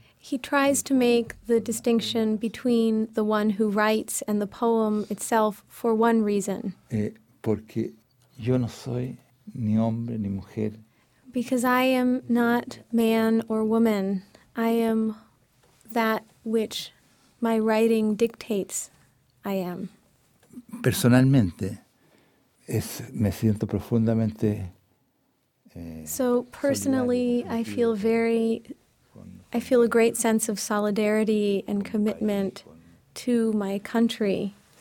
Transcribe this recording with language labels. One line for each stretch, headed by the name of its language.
English: He tries to make the distinction between the one who writes and the poem itself for one reason.
Spanish: Porque yo no soy ni hombre ni mujer.
English: Because I am not man or woman. I am that which my writing dictates I am.
Spanish: Personalmente, me siento profundamente.
English: So personally, I feel a great sense of solidarity and commitment to my country,